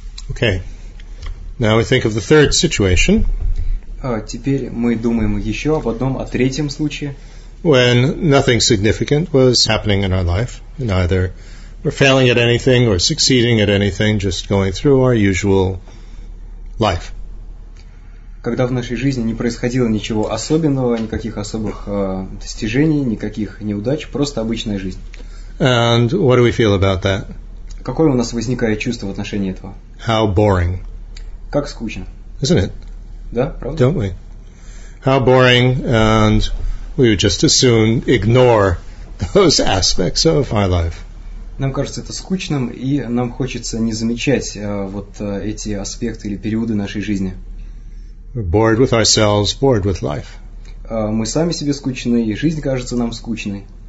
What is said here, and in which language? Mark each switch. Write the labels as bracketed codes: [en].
[en] Okay. Now we think of the third situation. [ru] Теперь мы думаем еще об одном, о третьем случае. [en] When nothing significant was happening in our life, neither we're failing at anything or succeeding at anything, just going through our usual life. [ru] Когда в нашей жизни не происходило ничего особенного, никаких особых достижений, никаких неудач, просто обычная жизнь. [en] And what do we feel about that? [ru] Какое у нас возникает чувство в отношении этого? [en] How boring. [ru] Как скучно. [en] Isn't it? [ru] Да, правда? [en] Don't we? How boring, and we would just as soon ignore those aspects of our life. [ru] Нам кажется это скучным, и нам хочется не замечать вот эти аспекты или периоды нашей жизни. [en] We're bored with ourselves, bored with life. [ru] Мы сами себе скучны, и жизнь кажется нам скучной.